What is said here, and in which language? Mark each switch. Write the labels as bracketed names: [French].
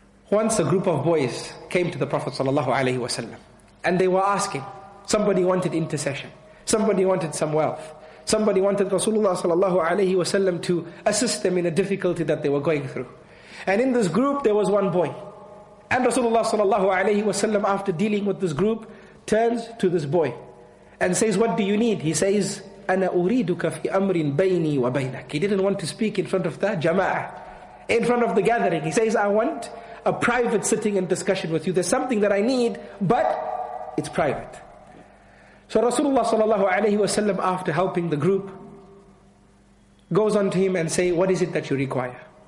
[English] Once a group of boys came to the Prophet sallallahu alayhi wa sallam, and they were asking, somebody wanted intercession, somebody wanted some wealth, somebody wanted Rasulullah sallallahu alayhi wa sallam to assist them in a difficulty that they were going through. And in this group there was one boy. And Rasulullah sallallahu alayhi wa sallam, after dealing with this group, turns to this boy and says, what do you need? He says, [Arabic] أَنَا أُرِيدُكَ فِي أَمْرٍ بَيْنِي وَبَيْنَكَ. [English] He didn't want to speak in front of the jama'ah, in front of the gathering. He says, I want a private sitting and discussion with you. There's something that I need, but it's private. So Rasulullah sallallahu alayhi wa sallam, after helping the group, goes on to him and say, what is it that you require?